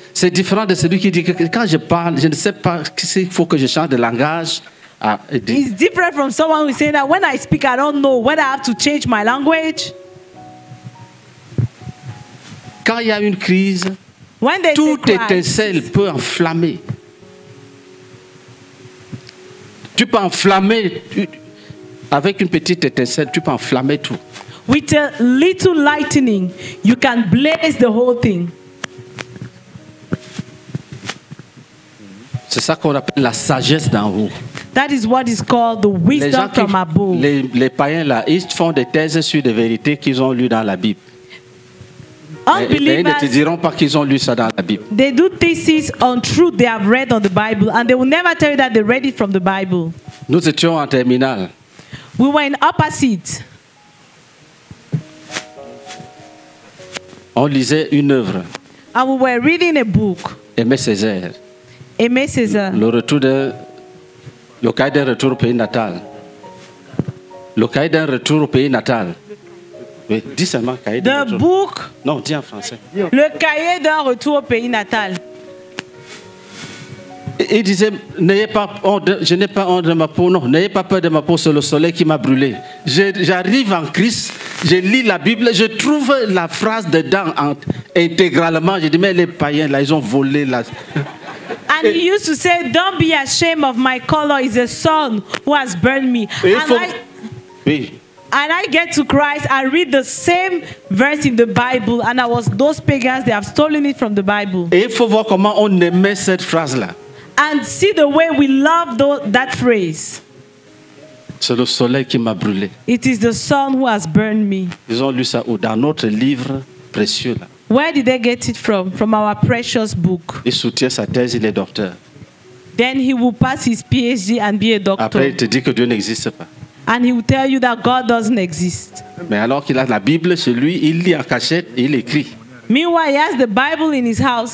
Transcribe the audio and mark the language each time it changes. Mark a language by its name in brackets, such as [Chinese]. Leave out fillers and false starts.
[French] C'est différent de celui qui dit que quand je parle, je ne sais pas s'il faut que je change de langage. [English] It's different from someone who says that when I speak, I don't know whether I have to change my language. [French] Quand il y a une crise, [English] when there's [French] tout étincelle peut enflammer. Tu peux enflammer avec une petite étincelle, tu peux enflammer tout. [English] With a little lightning, you can blaze the whole thing. [French] C'est ça qu'on appelle la sagesse d'en haut. [English] That is what is called the wisdom from above. [French] Les païens là, ils font des thèses sur des vérités qu'ils ont lues dans la Bible. [English] Unbelievers, [French] ne te diront pas qu'ils ont lu ça dans la Bible. [English] They do theses on truth they have read on the Bible, and they will never tell you that they read it from the Bible. [French] Nous étions en terminale. [English] We were in upper seats. [French] On lisait une œuvre. [English] And we were reading a book. [French] Aimé Césaire. [English] Aimé Césaire. [French] Le cahier d'un retour au pays natal. Le cahier d'un retour au pays natal. Oui, dis seulement cahier d'un retour. [English] The book. [French] Non, dis en français. Le cahier d'un retour au pays natal. Il disait, n'ayez pas honte, je n'ai pas honte de ma peau, non, n'ayez pas peur de ma peau, c'est le soleil qui m'a brûlé. J'arrive en Christ, je lis la Bible, je trouve la phrase dedans intégralement, je dis, mais les païens là, ils ont volé là. [English] And he used to say, don't be ashamed of my color, it's the sun who has burned me. [French] Et [English] and [French] faut, I, oui, [English] And I get to Christ, I read the same verse in the Bible, and I was those pagans, they have stolen it from the Bible. [French] Et il faut voir comment on aimait cette phrase-là. [English] And see the way we love that phrase. [French] C'est le soleil qui m'a brûlé. [English] It is the sun who has burned me. [French] Ils ont lu ça où? Dans notre livre précieux. Là. [English] Where did they get it from? From our precious book. [French] Il soutient sa thèse, il est docteur. [English] Then he will pass his PhD and be a doctor. [French] Après, il te dit que Dieu n'existe pas. [English] And he will tell you that God doesn't exist. [French] Mais alors qu'il a la Bible chez lui, il lit en cachette et il écrit. [English] Meanwhile, he has the Bible in his house.